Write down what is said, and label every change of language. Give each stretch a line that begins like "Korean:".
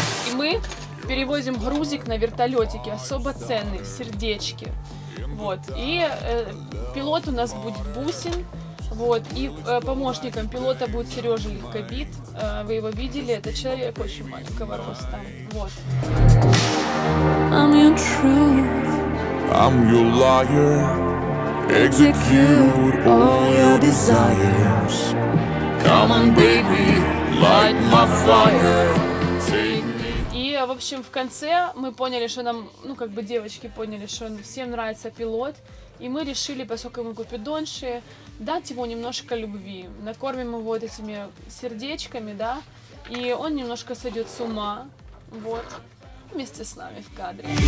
Russian: И мы перевозим грузик на вертолетике, особо ценный, сердечки. Вот, и пилот у нас будет Бусин, вот, и помощником пилота будет Сережа Легкобит, вы его видели, это человек очень маленького роста, вот.
English: I'm your truth, I'm your liar, execute all your desires, come on baby, light my fire.
Russian: В общем, в конце мы поняли, что нам, ну, как бы девочки поняли, что всем нравится пилот. И мы решили, поскольку мы купидонши, дать ему немножко любви. Накормим его вот этими сердечками, да, и он немножко сойдет с ума, вот, вместе с нами в кадре.